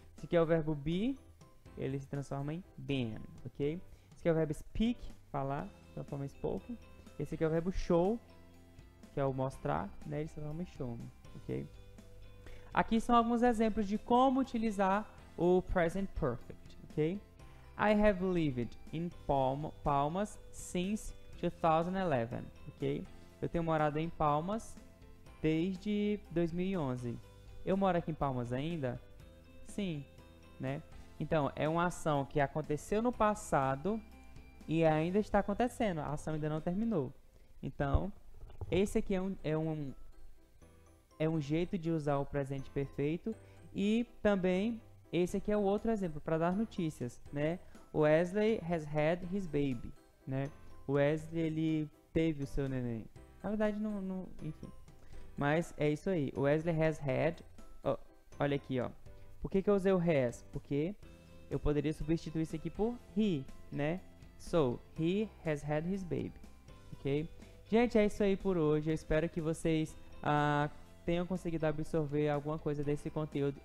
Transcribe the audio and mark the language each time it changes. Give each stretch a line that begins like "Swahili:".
Portuguese: Esse aqui é o verbo be, ele se transforma em been, ok? Esse aqui é o verbo speak, falar, se eu for spoken. Esse aqui é o verbo show, que é o mostrar, né? Ele se transforma em show me, ok? Aqui são alguns exemplos de como utilizar o present perfect, ok?
English: I have lived in Palmas since 2011, ok?
Portuguese: Eu tenho morado em Palmas desde 2011. Eu moro aqui em Palmas ainda? Sim, né? Então, é uma ação que aconteceu no passado e ainda está acontecendo. A ação ainda não terminou. Então, esse aqui é um jeito de usar o presente perfeito. E também, esse aqui é o outro exemplo para dar notícias, né?
English: Wesley has had his baby,
Portuguese: né? Wesley, ele teve o seu neném. Na verdade, não, enfim. Mas é isso aí.
English: Wesley has had...
Portuguese: Oh, olha aqui, ó. Por que que eu usei o has? Porque eu poderia substituir isso aqui por he, né?
English: So, he has had his baby, ok?
Portuguese: Gente, é isso aí por hoje. Eu espero que vocês tenham conseguido absorver alguma coisa desse conteúdo.